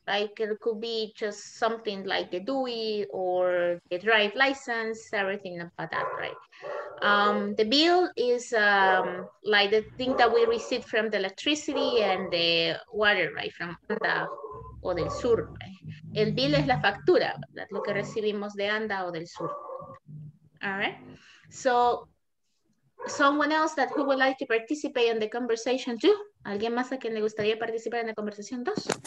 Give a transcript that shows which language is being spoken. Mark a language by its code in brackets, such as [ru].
[en] Like it could be just something like the DUI or the drive license, everything about that, right? The bill is like the thing that we receive from the electricity and the water, right? [es] From the o del sur. El bill es la factura, ¿verdad? Lo que recibimos de ANDA o del sur. [en] All right. So, someone else that who would like to participate in the conversation too? [es] ¿Alguien más a quien le gustaría participar en la conversación dos?